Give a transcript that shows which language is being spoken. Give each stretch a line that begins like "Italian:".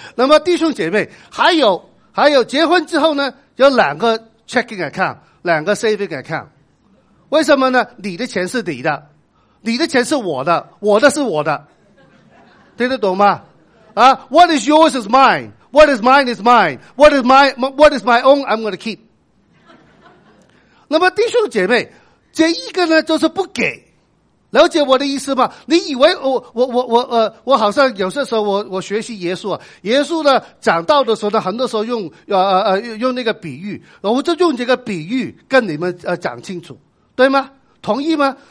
Chinese: 那么弟兄姐妹，还有结婚之后呢，有两个 checking account， 两个 saving account。为什么呢？你的钱是你的，你的钱是我的，我的是我的，听得懂吗？
English: 啊 ，What is yours is mine. What is mine is mine. What is my own, I'm going to keep.
Chinese: 那么弟兄姐妹，这一个呢，就是不给。了解我的意思吗？你以为我好像有些时候我学习耶稣啊，耶稣呢讲道的时候呢，很多时候用那个比喻，我就用这个比喻跟你们讲清楚，对吗？同意吗？